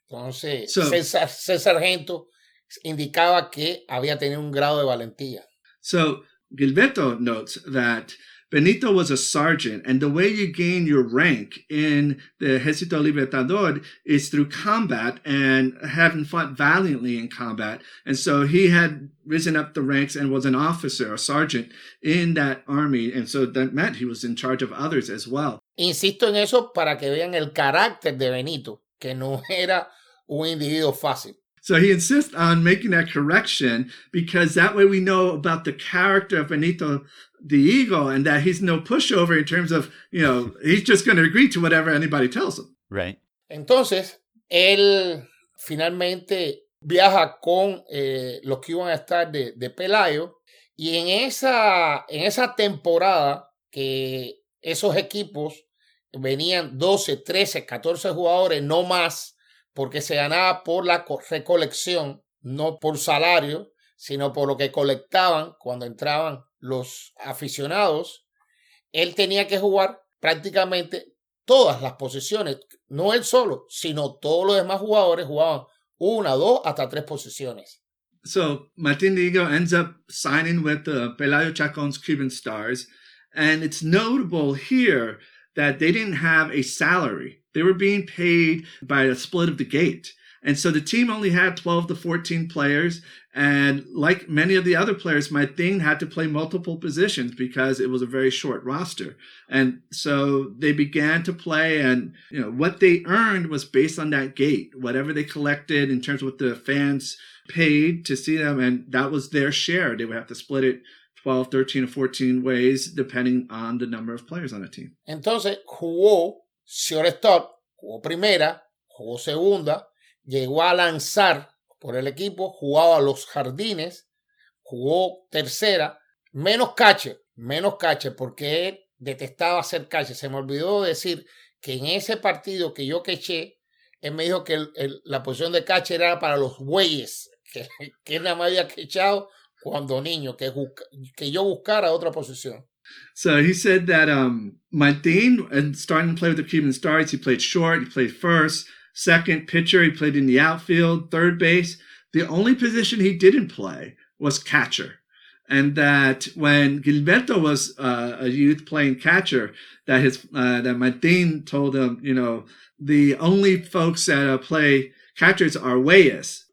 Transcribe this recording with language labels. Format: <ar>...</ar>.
<es>Entonces, ser sargento indicaba que había tenido un grado de valentía.</es> <en>So, Gilberto notes that Benito was a sergeant, and the way you gain your rank in the Ejército Libertador is through combat and having fought valiantly in combat. And so he had risen up the ranks and was an officer, a sergeant in that army. And so that meant he was in charge of others as well.</en> <es>Insisto en eso para que vean el carácter de Benito, que no era un individuo fácil.</es> <en>So he insists on making that correction because that way we know about the character of Benito the Eagle and that he's no pushover in terms of, you know, he's just going to agree to whatever anybody tells him. Right.</en> <es>Entonces, él finalmente viaja con los que iban a estar de Pelayo y en esa temporada que esos equipos venían 12, 13, 14 jugadores, no más, porque se ganaba por la recolección, no por salario, sino por lo que colectaban cuando entraban los aficionados, él tenía que jugar prácticamente todas las posiciones. No él solo, sino todos los demás jugadores jugaban una, dos, hasta tres posiciones.</es> <en>So, Martin Diego ends up signing with the Pelayo Chacón's Cuban Stars. And it's notable here that they didn't have a salary. They were being paid by a split of the gate. And so the team only had 12 to 14 players. And like many of the other players, Martin had to play multiple positions because it was a very short roster. And so they began to play. And you know what they earned was based on that gate, whatever they collected in terms of what the fans paid to see them. And that was their share. They would have to split it 12, 13, or 14 ways, depending on the number of players on a team.</en> <es>Entonces, jugó shortstop, jugó primera, jugó segunda, llegó a lanzar por el equipo, jugaba los jardines, jugó tercera, menos catcher, porque él detestaba hacer catcher. Se me olvidó decir que en ese partido que yo queché, él me dijo que la posición de catcher era para los bueyes, que él nada más había quechado cuando niño, que yo buscara otra posición.</es> <en>So he said that Martin, and starting to play with the Cuban Stars, he played short, he played first, second pitcher, he played in the outfield, third base. The only position he didn't play was catcher. And that when Gilberto was a youth playing catcher, that that Martin told him, you know, the only folks that play catchers are Reyes.</en>